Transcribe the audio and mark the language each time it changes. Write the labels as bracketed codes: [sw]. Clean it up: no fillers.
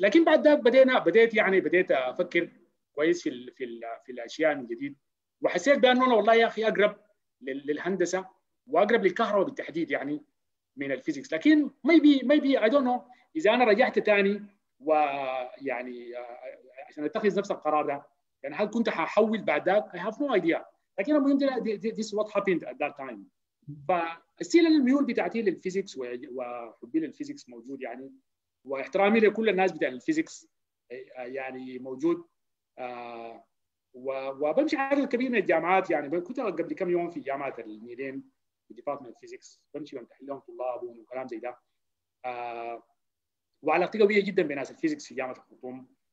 [ar] لكن بعد ذلك بديت افكر كويس في الاشياء من جديد، وحسيت بانه انا والله يا اخي اقرب للهندسه واقرب للكهرباء بالتحديد يعني من الفيزيكس. لكن [en] maybe I don't know [ar] اذا انا رجعت ثاني ويعني عشان اتخذ نفس القرار ده يعني، هل كنت ححول بعد ذلك؟ [en] I have no idea. [ar] لكن المهم [en] this what happened at that time. [ar] فالسيل الميول بتاعتي للفيزيكس وحبي للفيزيكس موجود يعني، واحترامي لكل الناس بتاع الفيزيكس يعني موجود، وبمشي على الكبير من الجامعات يعني. كنت قبل كم يوم في جامعة الميلين في ديبارتمنت فيزيكس، بمشي بمتحن لهم طلاب وكلام زي ده، وعلاقتي قوية جدا بناس الفيزيكس في جامعة الخرطوم.